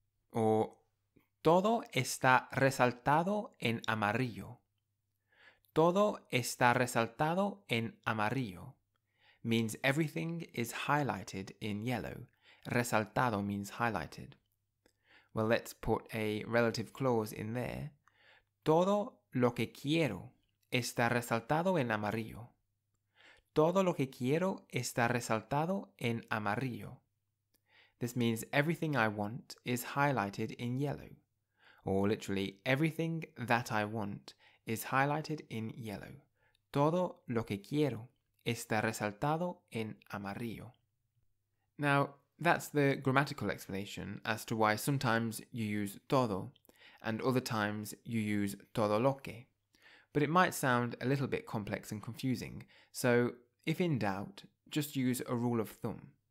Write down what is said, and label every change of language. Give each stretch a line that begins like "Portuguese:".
Spanish: Or, todo está resaltado en amarillo. Todo está resaltado en amarillo
English: means everything is highlighted in yellow. Resaltado means highlighted. Well, let's put a relative clause in there.
Spanish: Todo lo que quiero está resaltado en amarillo. Todo lo que quiero está resaltado en amarillo.
English: This means everything I want is highlighted in yellow. Or literally, everything that I want is highlighted in yellow.
Spanish: Todo lo que quiero está resaltado en amarillo.
English: Now, that's the grammatical explanation as to why sometimes you use todo and other times you use todo lo que. But it might sound a little bit complex and confusing, so if in doubt, just use a rule of thumb.